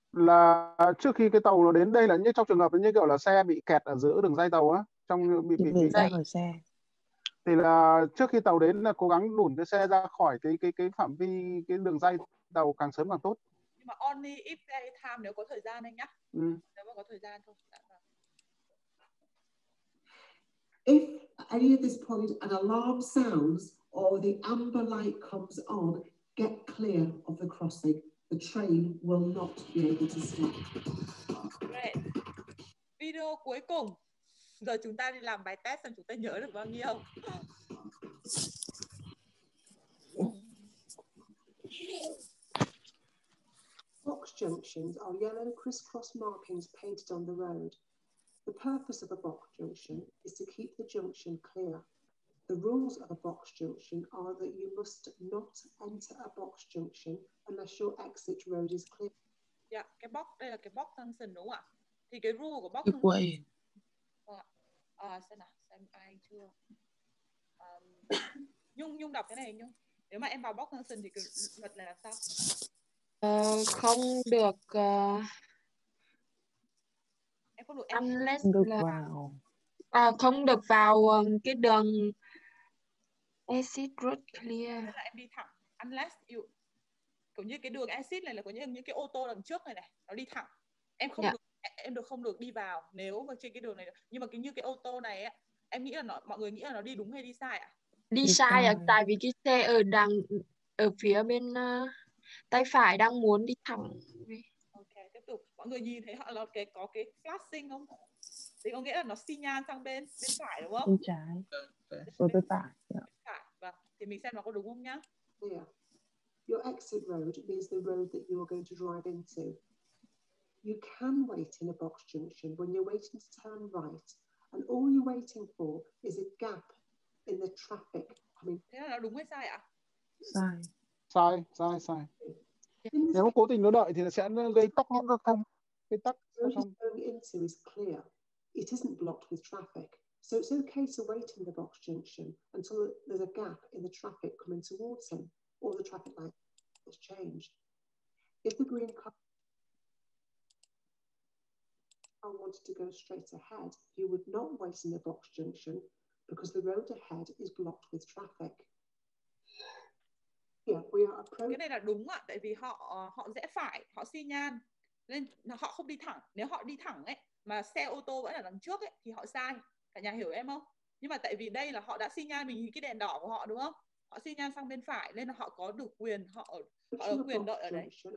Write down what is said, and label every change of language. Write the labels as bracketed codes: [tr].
[vi] Là trước khi cái tàu nó đến đây là như trong trường hợp như kiểu là xe bị kẹt ở giữa đường ray tàu á. Trong bị ra khỏi xe. Thì là trước khi tàu đến là cố gắng đủn cái xe ra khỏi cái phạm vi cái đường ray tàu càng sớm càng tốt. Nhưng mà [en] only if there is time, [vi] nếu có thời gian anh nhá. Ừ. Nếu mà có thời gian thôi. Đã. [en] If any at this point an alarm sounds or the amber light comes on, get clear of the crossing. The train will not be able to stop. [vi] Great. Video cuối cùng. Giờ chúng ta đi làm bài test xem chúng ta nhớ được bao nhiêu. [en] Box junctions are yellow crisscross markings painted on the road. The purpose of a box junction is to keep the junction clear. The rules of a box junction are that you must not enter a box junction unless your exit road is clear. [vi] Yeah, cái box đây là cái box junction đúng không ạ? Thì cái rule của box junction. Xem nào, xem ai chưa. Nhung đọc cái này Nhung. Nếu mà em vào box junction thì luật này là sao? Không được em không được em [en] unless [vi] được là không được vào cái đường [en] Exit route clear. [vi] Là em đi thẳng. [en] Unless you, [vi] cũng như cái đường exit này là cũng như những cái ô tô đằng trước này này, nó đi thẳng. Em không được, em được không được đi vào nếu mà trên cái đường này. Nhưng mà cái như cái ô tô này ấy, em nghĩ là nó, mọi người nghĩ là nó đi đúng hay đi sai ạ? Đi sai ạ, tại vì cái xe ở đằng ở phía bên tay phải đang muốn đi thẳng. Ok, tiếp tục. Mọi người nhìn thấy họ là cái có cái flashing không? Thì có nghĩa là nó xi nhan sang bên bên phải đúng không? Bên trái. Ở bên phải. Vâng, thì mình xem nó có đúng không nhá. [en] Yeah. Your exit road means the road that you are going to drive into. You can wait in a box junction when you're waiting to turn right, and all you're waiting for is a gap in the traffic. I mean, [vi] thế là nó đúng hay sai ạ? Sai. Sai. Nếu cố tình nó đợi thì nó sẽ gây tắc nghẽn giao thông. Gây tắc giao thông. [en] The road you're going into is clear. It isn't blocked with traffic. So it's okay to wait in the box junction until there's a gap in the traffic coming towards him, or the traffic light has changed. If the green car wanted to go straight ahead, you would not wait in the box junction because the road ahead is blocked with traffic. Yeah, we are approaching. [vi] Cái này là đúng ạ, tại vì họ họ rẽ phải, họ xi nhan nên họ không đi thẳng. Nếu họ đi thẳng ấy mà xe ô tô vẫn ở đằng trước ấy thì họ sai. Cả nhà hiểu em không? Nhưng mà tại vì đây là họ đã xi nhan, mình nhìn cái đèn đỏ của họ đúng không? Họ xi nhan sang bên phải nên là họ có được quyền, họ có quyền đợi ở đấy.